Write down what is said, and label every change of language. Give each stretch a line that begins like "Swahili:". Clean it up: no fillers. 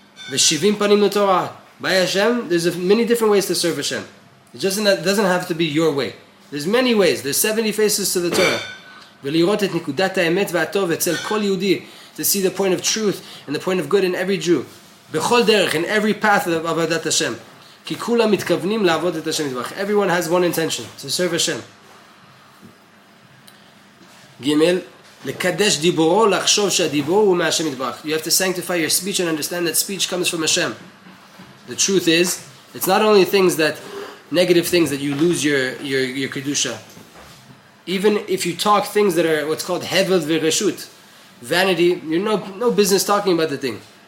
Hebrew: Ve'shivim panim l'torah.
English: By Hashem, there's many different ways to serve Hashem. It doesn't have to be your way. There's many ways. There's 70 faces to the Torah.
Hebrew: ולראות את נקודת האמת והטוב אצל כל יהודי,
English: to see the point of truth and the point of good in every Jew.
Hebrew: בכל דרך,
English: in every path of עבודת השם.
Hebrew: כי כולם מתכוונים לעבוד את השם יתברך.
English: Everyone has one intention, to serve Hashem.
Hebrew: גימל, לקדש דיבורו, לחשוב שהדיבור הוא מהשם יתברך.
English: You have to sanctify your speech and understand that speech comes from Hashem. The truth is, it's not only things that negative things that you lose your kedusha. Even if you talk things that are what's called
Hebrew: hevel v'reshut,
English: vanity, you're no business talking about the thing.